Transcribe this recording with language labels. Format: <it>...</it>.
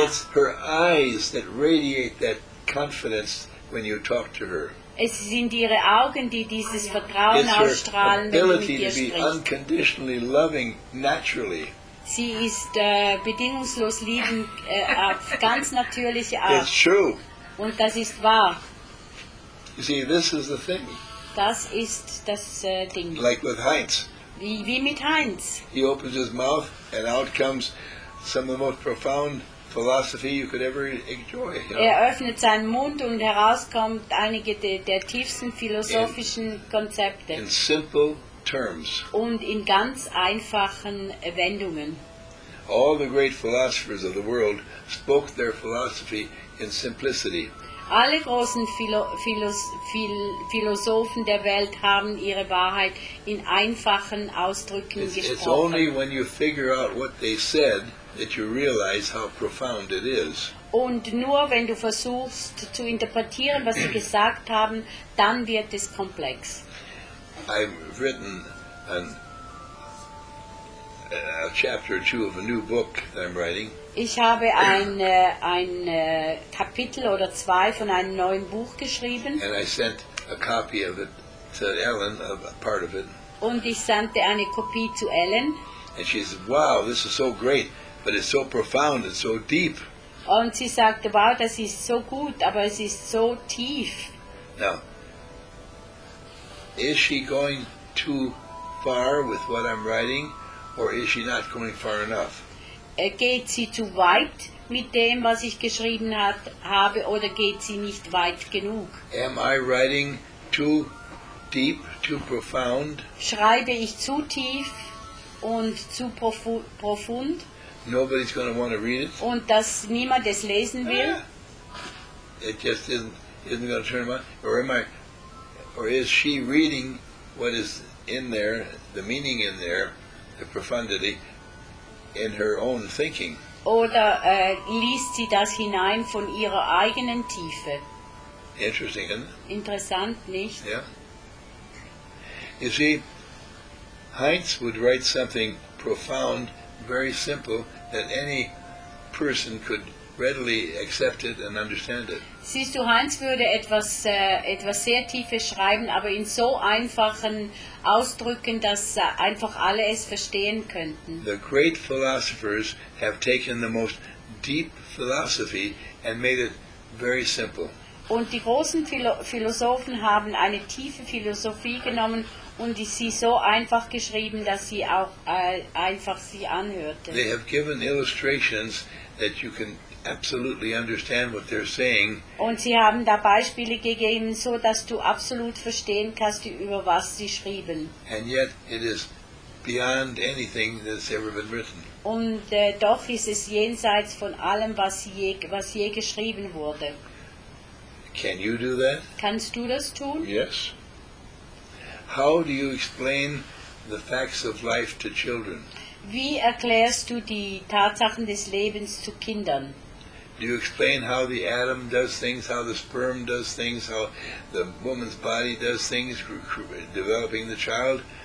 <en>It's her eyes that radiate that confidence when you talk to her.</en> <de>Es sind ihre Augen, die dieses Vertrauen ausstrahlen, wenn du mit ihr sprichst.</de> <en>It's her ability to be unconditionally loving naturally.</en> <de>Sie ist bedingungslos lieben auf ganz natürliche Art.</de> <en>It's true.</en> <de>Und das ist wahr.</de> <en>You see, this is the thing.</en> <de>Das ist das Ding.</de> <en>Like with Heinz.</en> <de>Wie mit Heinz.</de> <en>He opens his mouth and out comes some of the most profound philosophy you could ever enjoy. You know?</en> <de>Er öffnet seinen Mund und herauskommt einige der tiefsten philosophischen Konzepte.</de> <en>In simple terms.</en> <de>Und in ganz einfachen Wendungen.</de> <en>All the great philosophers of the world spoke their philosophy in simplicity.</en> <de>Alle großen Philosophen der Welt haben ihre Wahrheit in einfachen Ausdrücken gesprochen.</de> <en>It's only when you figure out what they said that you realize how profound it is.</en> <de>Und nur wenn du versuchst zu interpretieren, was sie gesagt haben, dann wird es komplex.</de> <en>I've written a chapter or two of a new book that I'm writing.</en> <de>Ich habe ein Kapitel oder zwei von einem neuen Buch geschrieben.</de> <en>And I sent a copy of it to Ellen, a part of it.</en> <de>Und ich sandte eine Kopie zu Ellen.</de> <en>And she said, wow, this is so great, but it's so profound, it's so deep.</en> <de>Und sie sagte, wow, das ist so gut, aber es ist so tief.</de> <en>Now, is she going too far with what I'm writing, or is she not going far enough?</en> <de>Geht sie zu weit mit dem, was ich geschrieben habe, oder geht sie nicht weit genug?</de> <en>Am I writing too deep, too profound?</en> <de>Schreibe ich zu tief und zu profund?</de> <en>Nobody's going to want to read it.</en> <de>Und dass niemand es lesen will?</de> <en>It just isn't going to turn around. Or is she reading what is in there, the meaning in there, the profundity, in her own thinking.</en> <de>Oder liest sie das hinein von ihrer eigenen Tiefe.</de> <en>Interesting, isn't it?</en> <de>Interessant, nicht?</de> <en>Yeah. You see, Heinz would write something profound, very simple, that any person could readily accept it and understand it.</en> <de>Siehst du, Heinz würde etwas sehr Tiefes schreiben, aber in so einfachen Ausdrücken, dass einfach alle es verstehen könnten.</de> <en>The great philosophers have taken the most deep philosophy and made it very simple.</en> <de>Und die großen Philosophen haben eine tiefe Philosophie genommen und sie so einfach geschrieben, dass sie auch einfach sie anhörte.</de> <en>They have given illustrations that you can absolutely understand what they're saying.</en> <de>Und sie haben da Beispiele gegeben, so dass du absolut verstehen kannst, über was sie schrieben.</de> <en>And yet it is beyond anything that's ever been written.</en> <de>Und doch ist es jenseits von allem, was je geschrieben wurde.</de> <en>Can you do that?</en> <de>Kannst du das tun?</de> <en>Yes. How do you explain the facts of life to children?</en> <de>Wie erklärst du die Tatsachen des Lebens zu Kindern?</de> <en>Do you explain how the atom does things, how the sperm does things, how the woman's body does things, developing the child?</en>